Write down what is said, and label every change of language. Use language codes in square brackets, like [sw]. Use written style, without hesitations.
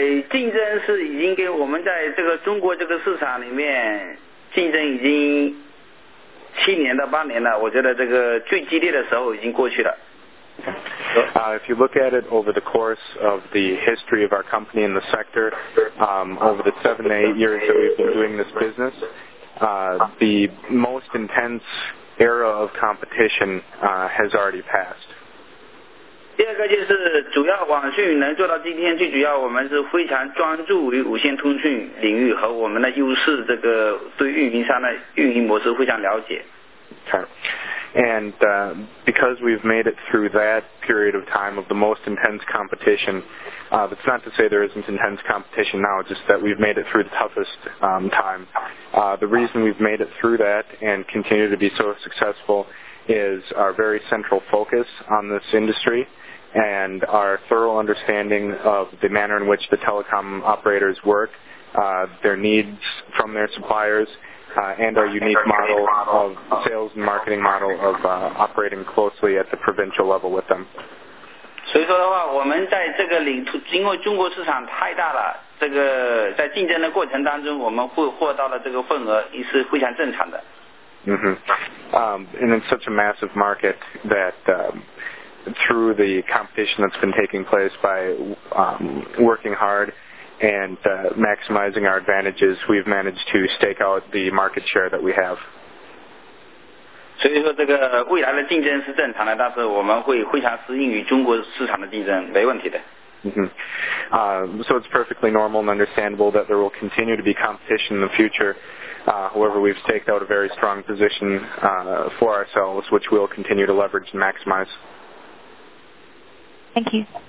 [zh] 竞争是已经跟我们在这个中国这个市场里面竞争已经7年到8年了，我觉得这个最激烈的时候已经过去了。 [en] If you look at it over the course of the history of our company in the sector, over the 7-8 years that we've been doing this business, the most intense era of competition, has already passed. [zh] 第二个就是主要网讯能做到今天，最主要我们是非常专注于无线通讯领域和我们的优势，这个对运营商的运营模式非常了解。 [en] Okay. And because we've made it through that period of time of the most intense competition, it's not to say there isn't intense competition now, just that we've made it through the toughest time. The reason we've made it through that and continue to be so successful is our very central focus on this industry and our thorough understanding of the manner in which the telecom operators work, their needs from their suppliers, and our unique model of sales and marketing model of operating closely at the provincial level with them. [zh] 所以说的话，我们在这个领土，因为中国市场太大了，这个在竞争的过程当中，我们会获到的这个份额也是非常正常的。 Mm-hmm. [en] And it's such a massive market that through the competition that's been taking place by working hard and maximizing our advantages, we've managed to stake out the market share that we have. [zh] 所以说这个未来的竞争是正常的，但是我们会非常适应于中国市场的竞争，没问题的。 [en] Mm-hmm. So it's perfectly normal and understandable that there will continue to be competition in the future. However, we've staked out a very strong position for ourselves, which we'll continue to leverage and maximize. Thank you.